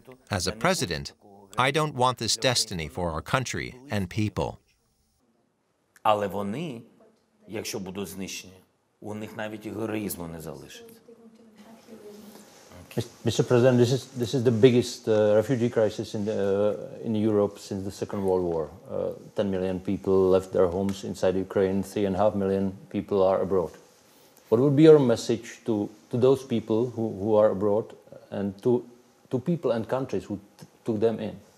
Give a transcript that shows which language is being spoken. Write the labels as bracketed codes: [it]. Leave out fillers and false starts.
[en] As a president, I don't want this destiny for our country and people. [uk] Але вони, якщо будуть знищені, у них навіть і героїзму не залишиться. [en] Mr. President, this is the biggest refugee crisis in Europe since the Second World War. 10 million people left their homes inside Ukraine, 3.5 million people are abroad. What would be your message to those people who are abroad and to people and countries who took them in?